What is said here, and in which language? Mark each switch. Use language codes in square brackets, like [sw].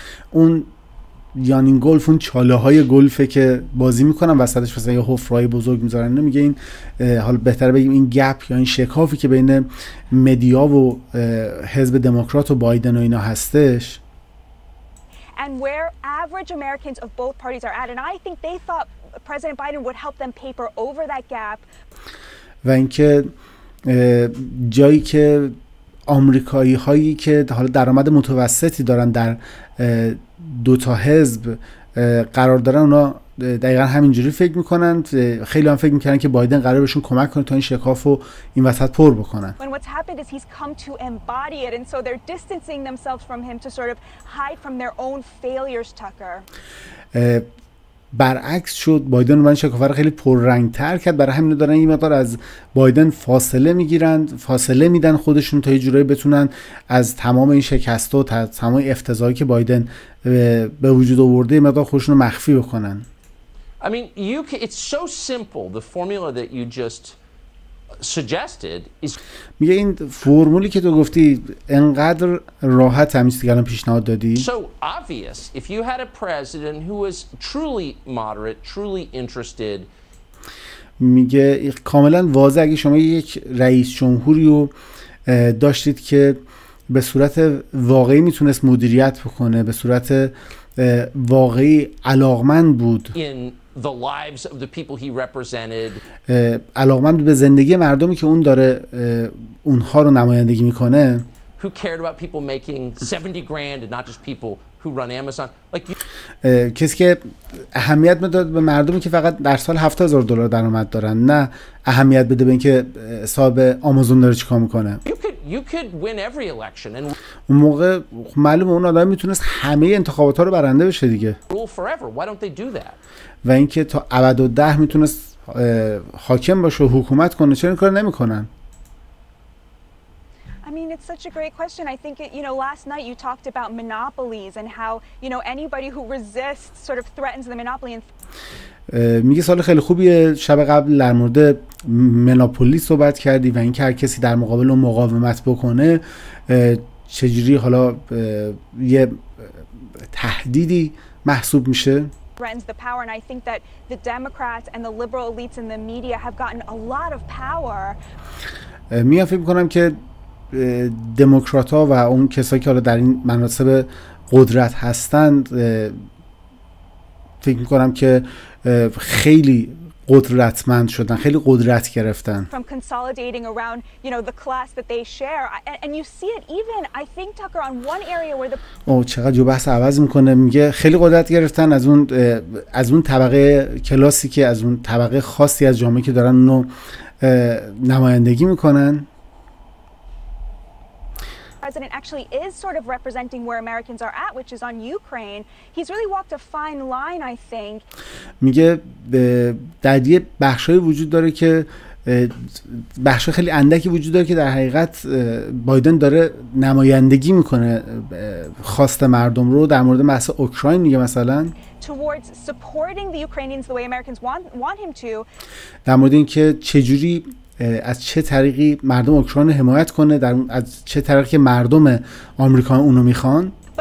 [fa] اون یانینگ گلف، اون چاله های گلفه که بازی میکنن وسطش، مثلا یه حفره بزرگ میذارن. نمیگه این، حالا بهتر بگیم این گپ یا این شکافی که بین مدیا و حزب دموکرات و بایدن و اینا هستش. [en] And where average Americans of both parties are at, and I think they thought President Biden would help them paper over that gap. [fa] و اینکه جایی که آمریکایی‌هایی که حالا درآمد متوسطی دارن در دوتا حزب قرار دارن، اونا دقیقاً همینجوری فکر می‌کنن. خیلی هم فکر می‌کردن که بایدن قرار بهشون کمک کنه تا این شکاف رو این وسط پر بکنن. [en] When what's happened is he's come to embody it, and so they're distancing themselves from him to sort of hide from their own failures, Tucker. [fa] برعکس شد، بایدن اون شکاف رو خیلی پررنگ‌تر کرد. برای همین دارن این مقدار از بایدن فاصله می‌گیرن، فاصله میدن خودشون تا یه جوری بتونن از تمام این شکست و تمام افتضاحی که بایدن به وجود آورده مقدار خودشون رو مخفی بکنن. [en] I mean, it's so simple. The formula that you just suggested is. [fa] میگه این فرمولی که تو گفتی انقدر راحت همیشه گلن پیشنهاد دادی. [en] So obvious. If you had a president who was truly moderate, truly interested. [fa] میگه کاملا واضح، اگه شما یک رئیس جمهوری رو داشتید که به صورت واقعی میتونست مدیریت بکنه، به صورت واقعی علاقمند بود. [en] The lives of the people he represented. [fa] علاقمند به زندگی مردمی که اون داره اونها رو نمایندگی میکنه. [en] Who cared about people making 70 grand and not just people who run Amazon? Like you. [fa] کسی که اهمیت میداد به مردمی که فقط در سال 7000 دلار درآمد دارن، نه اهمیت بده به اینکه صاحب آمازون داره چیکار میکنه. [en] You could win every election and. [fa] اون موقع معلومه اون آدم میتونست همه انتخابات ها رو برنده بشه دیگه. [en] Rule forever. Why don't they do that? [fa] و اینکه تا ابد و ده میتونست حاکم باشه و حکومت کنه، چرا این کار نمیکنن؟ [en] I mean, it's such a great question. I think you know, last night you talked about monopolies and how you know anybody who resists sort of threatens the monopoly. [fa] میگه سال خیلی خوبیه، شب قبل در مورد مونوپولی صحبت کردی و اینکه هر کسی در مقابل اون مقاومت بکنه چجوری حالا یه تهدیدی محسوب میشه. [en] Runs the power, and I think that the Democrats and the liberal elites and the media have gotten a lot of power. [fa] میام فکر میکنم که دموکرات ها و اون کسایی که حالا در این مناصب قدرت هستند، فکر میکنم که خیلی قدرتمند شدن، خیلی قدرت گرفتن. [en] From consolidating around, you know, the class that they share, and you see it even, I think, Tucker, on one area where the. [fa] او چقدر جو بحث عوض میکنه، میگه خیلی قدرت گرفتن از اون طبقه کلاسی که از اون طبقه خاصی از جامعه که دارن اونو نمایندگی میکنن. [en] President actually is sort of representing where Americans are at, which is on Ukraine. He's really walked a fine line, I think. [fa] میگه در یه بخشی وجود داره که بخش خیلی اندکی وجود داره که در حقیقت بایدن داره نمایندگی میکنه خواست مردم رو در مورد مسئله اوکراین. میگه مثلا [en] towards supporting the Ukrainians the way Americans want him to. [fa] در مورد اینکه چجوری از چه طریقی مردم اوکراین حمایت کنه، در از چه طریقی که مردم آمریکا اونو میخوان.